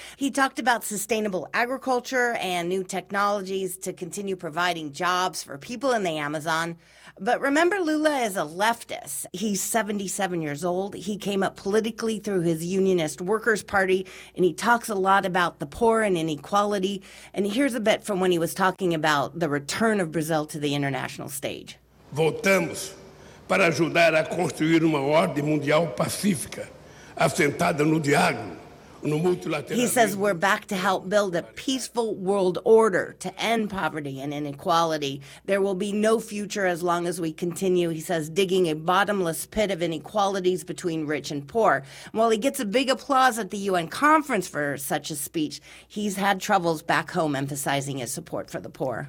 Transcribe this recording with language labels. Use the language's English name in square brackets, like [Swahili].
[English] He talked about sustainable agriculture and new technologies to continue providing jobs for people in the Amazon. But remember, Lula is a leftist. He's 77 years old. He came up politically through his Unionist Workers' Party, and he talks a lot about the poor and inequality. And here's a bit from when he was talking about the return of Brazil to the international stage. [Portuguese] Voltamos para ajudar a construir uma ordem mundial pacífica, assentada no diálogo, no multilateralismo. [English] He says we're back to help build a peaceful world order to end poverty and inequality. There will be no future as long as we continue, he says, digging a bottomless pit of inequalities between rich and poor. While he gets a big applause at the UN conference for such a speech, he's had troubles back home emphasizing his support for the poor.